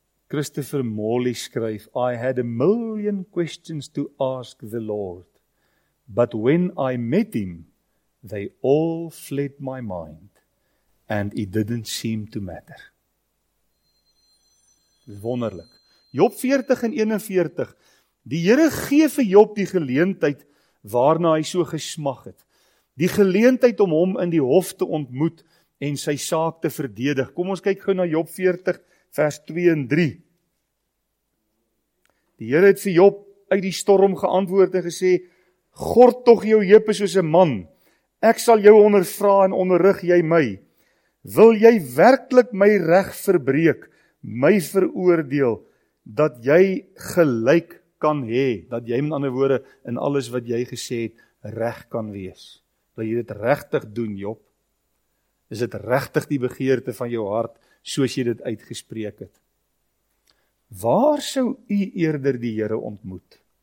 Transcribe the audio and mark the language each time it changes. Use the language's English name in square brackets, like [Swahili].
[English] Christopher Morley [Afrikaans] skryf, [English] I had a million questions to ask the Lord, but when I met him, they all fled my mind, and it didn't seem to matter. [Afrikaans] Wonderlik. Job 40 en 41, die Here gee vir Job die geleentheid waarna hy so gesmag het. Die geleentheid om hom in die hof te ontmoet en sy saak te verdedig. Kom ons kyk gou na Job 40 vers 2 en 3. Die Here het vir Job uit die storm geantwoord en gesê, gort tog jou heupe soos 'n man. Ek sal jou ondervra en onderrig jy my. Wil jy werklik my reg verbreek? my veroordeel, dat jy gelyk kan hê, dat jy met ander woorde in alles wat jy gesê het, reg kan wees. Dat jy dit regtig doen, Job. Is dit regtig die begeerte van jou hart, soos jy dit uitgespreek het? Waar sou u eerder die Here ontmoet?